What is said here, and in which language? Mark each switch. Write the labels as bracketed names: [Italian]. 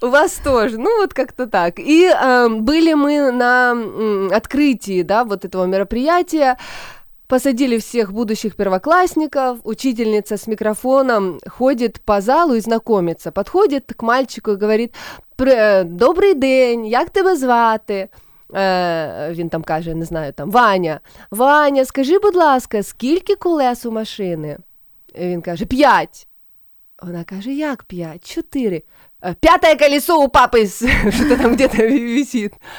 [Russian] У вас тоже, ну вот как-то так. И были мы на открытии, да, вот этого мероприятия, посадили всех будущих первоклассников, учительница с микрофоном ходит по залу и знакомится, подходит к мальчику и говорит: «Добрый день, [Ukrainian] як тебе звати?» Він там каже, не знаю, там, «Ваня». «Ваня, скажи, будь ласка, скільки колес у машини?» І він каже: «5». Вона каже: «Як 5? 4». [Russian] «5-е колесо у папы, что-то там где-то висит».